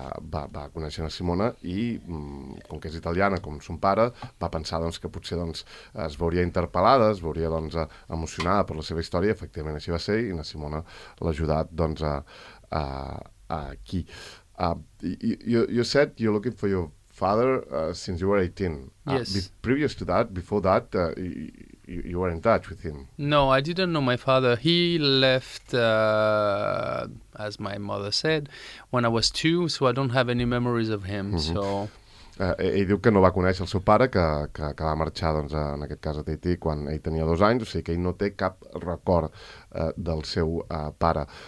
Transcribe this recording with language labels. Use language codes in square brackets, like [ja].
[ca] va conèixer a Simona i, com que és italiana, com son pare, va pensar doncs, que potser doncs, es veuria interpel·lada, es veuria doncs, emocionada per la seva història, efectivament així va ser, i la Simona l'ha ajudat doncs, a aquí. [en] You said you're looking for your father since you were 18. Yes. Previous to that, before that, you were in touch with him. No, I didn't know my father. He left, as my mother said, when I was 2, so I don't have any memories of him. Mm-hmm. So. [ca] Ell diu que no va conèixer el seu pare, que va marxar, doncs, en aquest cas, a Tahiti, quan ell tenia 2 anys, o sigui que ell no té cap record del seu pare.